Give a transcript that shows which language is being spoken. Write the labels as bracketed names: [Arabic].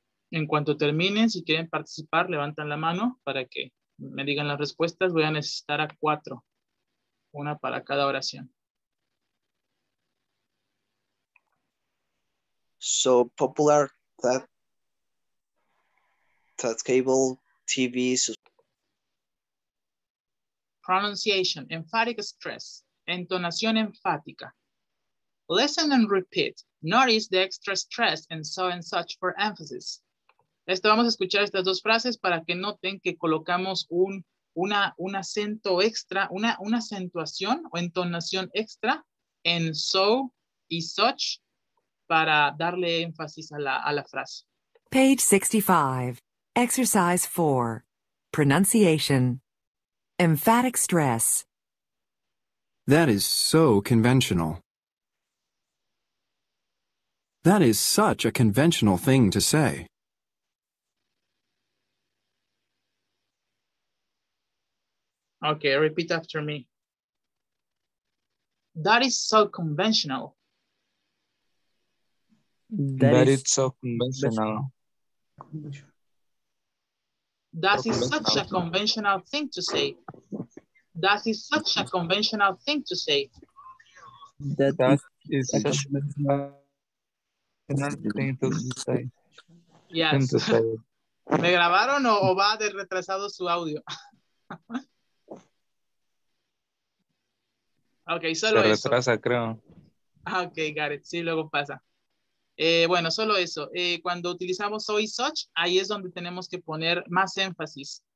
[Spanish] En cuanto terminen, si quieren participar, levantan la mano para que me digan las respuestas. Voy a necesitar a 4, una para cada oración. [English] So popular that cable TV. Pronunciation, emphatic stress, [Spanish] entonación enfática. [English] Listen and repeat. Notice the extra stress and so and such for emphasis. [Spanish] Esto, vamos a escuchar estas dos frases para que noten que colocamos un acento extra, una acentuación o entonación extra en so y such para darle énfasis a la frase. [English] Page 65, exercise 4, pronunciation, emphatic stress. That is so conventional. That is such a conventional thing to say. Okay, repeat after me. That is so conventional. That is so conventional. That is such a conventional thing to say. That is such a conventional thing to say. That is such a conventional thing to say. Yes. Thing to say. [Spanish] ¿Me grabaron o va de retrasado su audio? Okay, solo eso. Se retrasa, eso. Creo. [English] Okay, got it. [Spanish] Sí, luego pasa. Bueno, solo eso. Cuando utilizamos so y such, ahí es donde tenemos que poner más énfasis.